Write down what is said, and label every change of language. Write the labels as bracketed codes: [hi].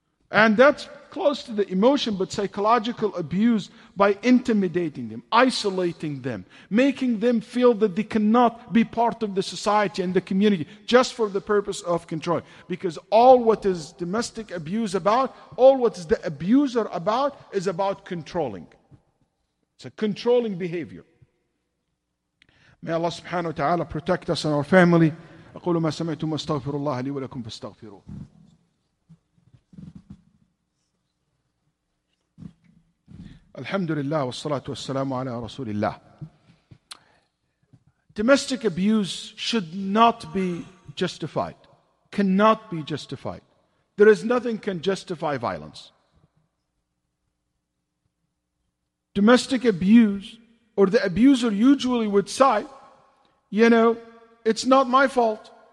[en] And that's close to the emotion, but psychological abuse by intimidating them, isolating them, making them feel that they cannot be part of the society and the community just for the purpose of control. Because all what is domestic abuse about, all what is the abuser about, is about controlling. It's a controlling behavior. May Allah subhanahu wa ta'ala protect us and our family. [ar] أقول ما سمعتم استغفر الله لي ولكم فاستغفروه. الحمد لله والصلاة والسلام على رسول الله. [en] Domestic abuse should not be justified. Cannot be justified. There is nothing can justify violence. Domestic abuse, or the abuser usually would say, you know, it's not my fault.